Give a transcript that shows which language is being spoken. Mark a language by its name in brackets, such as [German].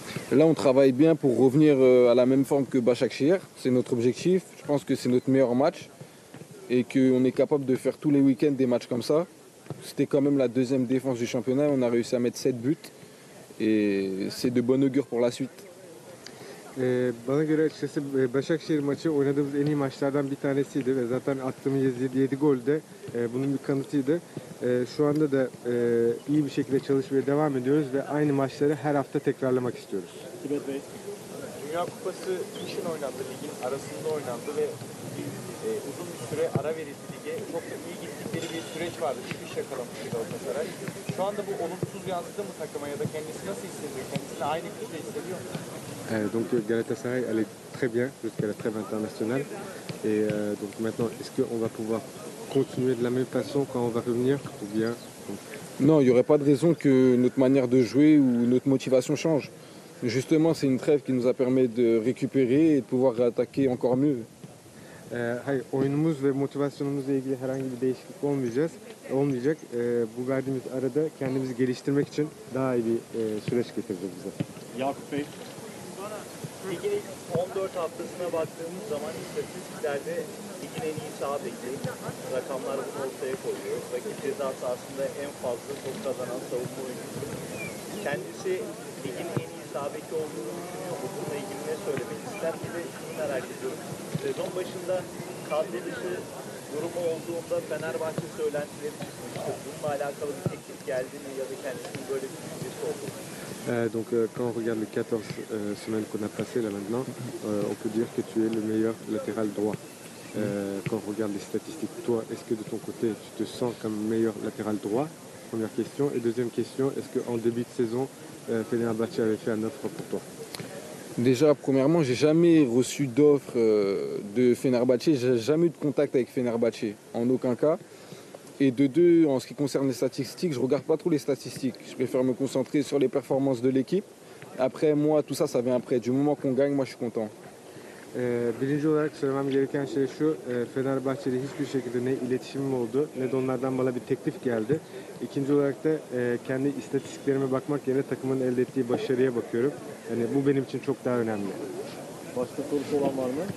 [French] Là on travaille bien pour revenir à la même forme que Başakşehir, c'est notre objectif. Je pense que c'est notre meilleur match et qu'on est capable de faire tous les week-ends des matchs comme ça. C'était quand même la deuxième défense du championnat, on a réussi à mettre 7 buts et c'est de bon augure pour la suite. [Turkish] Bana göre açıkçası Başakşehir maçı oynadığımız en iyi maçlardan bir tanesiydi ve zaten attığımız 7 gol de bunun bir kanıtıydı. Şu anda da iyi bir şekilde çalışmaya devam ediyoruz ve aynı maçları her hafta tekrarlamak istiyoruz. Tibet Bey. Evet, Dünya Kupası kışın oynandı, ligin arasında oynandı ve uzun bir süre ara verildi lige. Çok da iyi gittikleri bir süreç vardı. Çıkış yakalamıştı Galatasaray. Şu anda bu olumsuz yansıdı mı takıma ya da kendisi nasıl hissediyor? Kendisini aynı kişi hissediyor mu? [French] Donc Galatasaray elle est très bien jusqu'à la trêve internationale et donc maintenant est-ce qu'on va pouvoir continuer de la même façon quand on va revenir ou bien non il y aurait pas de raison que notre manière de jouer ou notre motivation change justement c'est une trêve qui nous a permis de récupérer et de pouvoir attaquer encore mieux [Turkish] hayır oyunumuz ve motivasyonumuzla ilgili herhangi bir değişiklik olmayacak bu verdiğimiz arada kendimizi geliştirmek için daha iyi bir süreç getireceğiz bize Yakup Bey Ligin ilk 14 haftasına baktığımız zaman istatistiklerde ligin en iyi sağ beki rakamlar bunu ortaya koyuyor. Rakip cezası aslında en fazla top kazanan savunma oyuncusu. Kendisi ligin en iyi sağ beki olduğunu düşünüyor. Bununla ilgili ne söylemek ister ki de şunu merak ediyorum. Sezon başında kadro dışı durumu olduğunda Fenerbahçe söylentileri çıkmıştı. Bununla alakalı bir teklif geldi mi ya da kendisinin böyle bir düşüncesi oldu mu? [French] Donc quand on regarde les 14 semaines qu'on a passées là maintenant, on peut dire que tu es le meilleur latéral droit. Quand on regarde les statistiques, toi, est-ce que de ton côté, tu te sens comme meilleur latéral droit? Première question. Et deuxième question, est-ce qu'en début de saison, Fenerbahçe avait fait une offre pour toi? Déjà, premièrement, j'ai jamais reçu d'offre de Fenerbahçe. J'ai jamais eu de contact avec Fenerbahçe, en aucun cas. Et de deux, en ce qui concerne les statistiques, je ne regarde pas trop les statistiques. Je préfère me concentrer sur les performances de l'équipe. Après, moi, tout ça, ça vient après. Du moment qu'on gagne, moi, je suis content. [Turkish] Birinci olarak söylemem gereken şey şu, Fenerbahçe'de hiçbir şekilde ne iletişimim oldu, ne de onlardan bana bir teklif geldi. İkinci olarak da kendi istatistiklerime bakmak yerine takımın elde ettiği başarıya bakıyorum. Yani bu benim için çok daha önemli. Başka soru olan var mı?